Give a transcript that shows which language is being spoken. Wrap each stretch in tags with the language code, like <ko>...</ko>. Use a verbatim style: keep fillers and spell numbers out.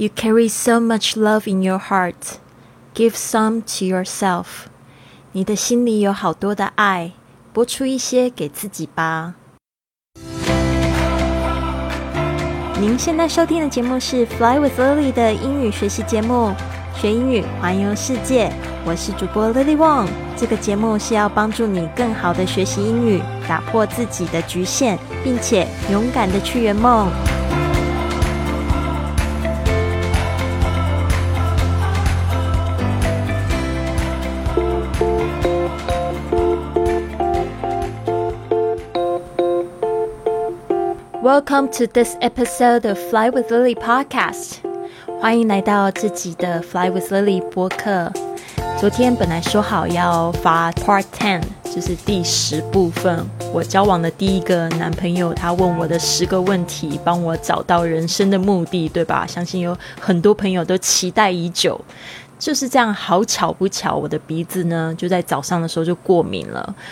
<en>You carry so much love in your heart. Give some to yourself.</en> <zh>你的心里有好多的爱，拨出一些给自己吧。您现在收听的节目是 Fly with Lily 的英语学习节目，学英语环游世界。我是主播 Lily Wong。这个节目是要帮助你更好的学习英语，打破自己的局限，并且勇敢的去圆梦。</zh> <en>Welcome to this episode of Fly with Lily podcast.</en> <zh>欢迎来到自己的 Fly with Lily 播客。昨天本来说好要发</zh> <en>part ten，</en> <zh>就是第十部分，我交往的第一个男朋友他问我的十个问题，帮我找到人生的目的，对吧？相信有很多朋友都期待已久。就是这样，好巧不巧，我的鼻子呢就在早上的时候就过敏了。</zh>